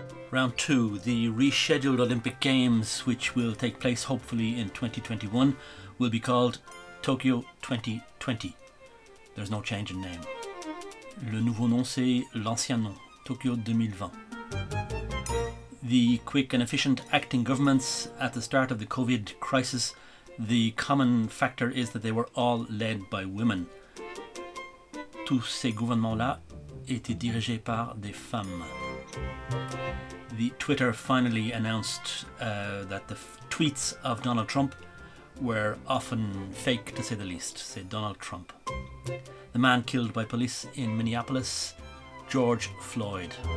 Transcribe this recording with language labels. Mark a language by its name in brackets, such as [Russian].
[English] Round two, the rescheduled Olympic Games, which will take place hopefully in 2021, will be called Tokyo 2020. There's no change in name. [French] Le nouveau nom, c'est l'ancien nom, Tokyo 2020. [English] The quick and efficient acting governments at the start of the COVID crisis, the common factor is that they were all led by women. [French] Tous ces gouvernements-là étaient dirigés par des femmes. [English] The Twitter finally announced that the tweets of Donald Trump were often fake, to say the least, said Donald Trump. The man killed by police in Minneapolis, George Floyd.